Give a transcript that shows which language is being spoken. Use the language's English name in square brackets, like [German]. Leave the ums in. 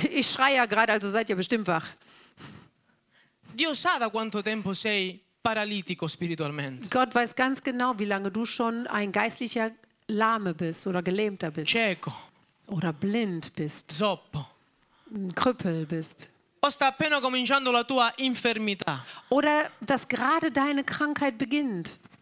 [German] ich schreie ja gerade, also seid ihr bestimmt wach. [Italian] Dio sa da quanto tempo sei paralitico spiritualmente. [German] Gott weiß ganz genau, wie lange du schon ein geistlicher Lahme bist oder Gelähmter bist. [Italian] Cieco. [German] Oder blind bist. [Italian] Zoppo. [German] Ein Krüppel bist. [Italian] O sta appena cominciando la tua infermità. [German] Oder dass gerade deine Krankheit beginnt.